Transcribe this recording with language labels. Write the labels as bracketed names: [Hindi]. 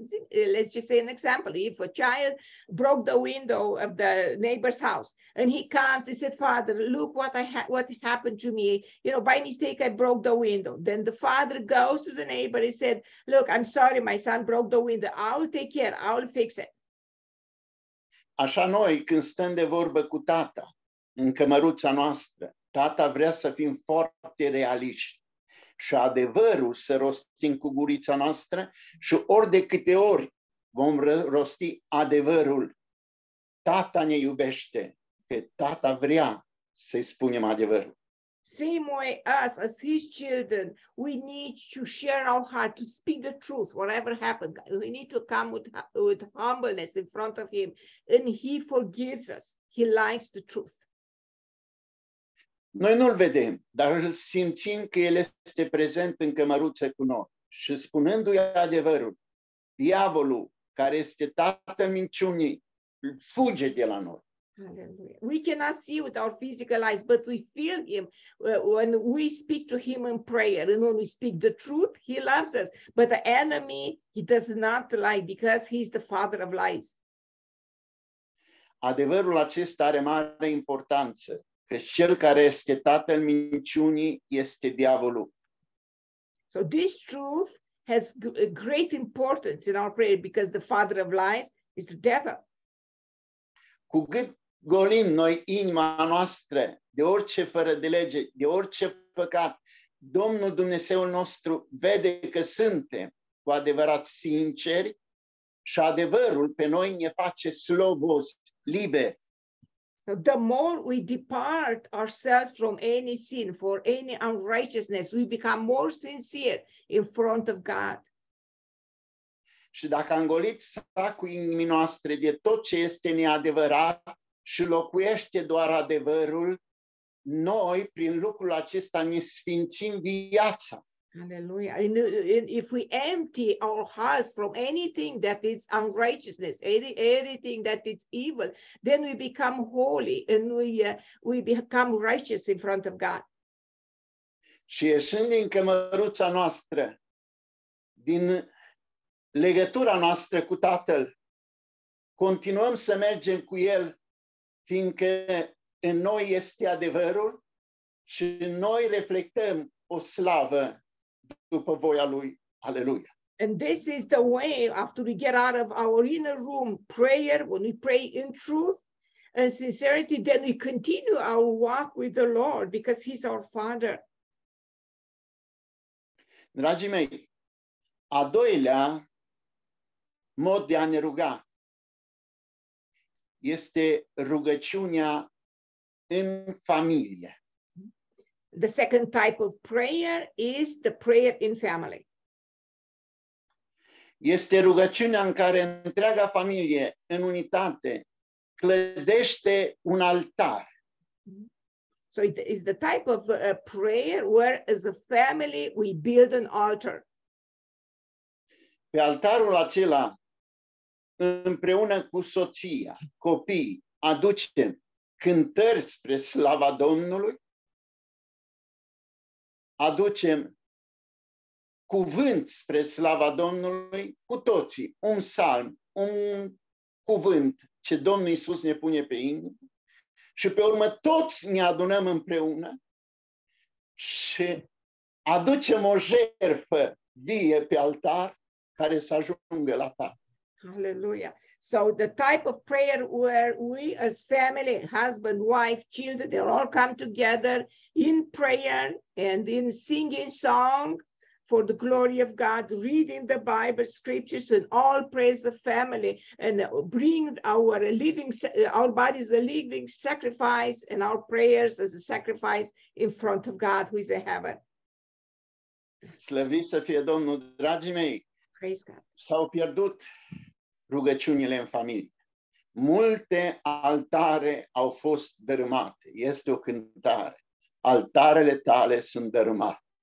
[English] See, let's just say an example. If a child broke the window of the neighbor's house and he comes, he said, Father, look what happened to me. You know, by mistake, I broke the window. Then the father goes to the neighbor and said, look, I'm sorry, my son broke the window. I'll take care. I'll fix it. [Romanian] Așa noi, când stăm de vorbă cu tata, în cămăruța noastră, tata vrea să fim foarte realiști. Și adevărul să rostim cu gurița noastră și ori de câte ori vom rosti adevărul. Tata ne iubește, că tata vrea să-i spunem adevărul. [English] Same way us, as his children, we need to share our heart, to speak the truth, whatever happened. We need to come with humbleness in front of him. And he forgives us. He likes the truth. [Romanian] Noi nu-l vedem, dar îl simțim că el este prezent în cămăruță cu noi. Și spunându-i adevărul, diavolul, care este tatăl minciunii, fuge de la noi. [English] Hallelujah. We cannot see with our physical eyes, but we feel him when we speak to him in prayer. And when we speak the truth, he loves us. But the enemy, he does not lie because he is the father of lies. [Romanian] Adevărul acesta are mare importanță. Că cel care este tatăl minciunii este diavolul. [English] So this truth has a great importance in our prayer because the father of lies is the devil. [Romanian] Cu cât golim noi inima noastră de orice fără de lege, de orice păcat, Domnul Dumnezeul nostru vede că suntem cu adevărat sinceri și adevărul pe noi ne face slobozi, liberi. [English] The more we depart ourselves from any sin, for any unrighteousness, we become more sincere in front of God. [Romanian] Și dacă am golit sacul inimii noastre de tot ce este neadevărat și locuiește doar adevărul, noi, prin lucrul acesta, ne sfințim viața. [English] Hallelujah. And if we empty our hearts from anything that is unrighteousness, anything that is evil, then we become holy and we become righteous in front of God. [Romanian] Și ieșind din cămăruța noastră, din legătura noastră cu Tatăl, continuăm să mergem cu El, fiindcă în noi este adevărul și noi reflectăm o slavă după voia Lui. Aleluia. [English] And this is the way after we get out of our inner room prayer, when we pray in truth and sincerity, then we continue our walk with the Lord because He's our Father. [Romanian] Dragii mei, a doilea mod de a ne ruga este rugăciunea în familie. [English] The second type of prayer is the prayer in family. [Romanian] Este rugăciunea în care întreaga familie în unitate clădește un altar. [English] So it is the type of prayer where as a family we build an altar. [Romanian] Pe altarul acela, împreună cu soția, copii, aducem cântări spre slava Domnului. Aducem cuvânt spre slava Domnului, cu toții, un psalm, un cuvânt ce Domnul Iisus ne pune pe inimă și pe urmă toți ne adunăm împreună și aducem o jertfă vie pe altar care să ajungă la Tatăl. [English] Hallelujah. So the type of prayer where we as family, husband, wife, children, they all come together in prayer and in singing song for the glory of God, reading the Bible scriptures and all praise the family and bring our bodies a living sacrifice and our prayers as a sacrifice in front of God who is in heaven. [Romanian] Slăviți să fie Domnul, dragii mei. [English] Praise God. [Romanian] S-au pierdut rugăciunile în familie. Multe altare au fost dărâmate. Este o cântare. Altarele tale sunt dărâmate.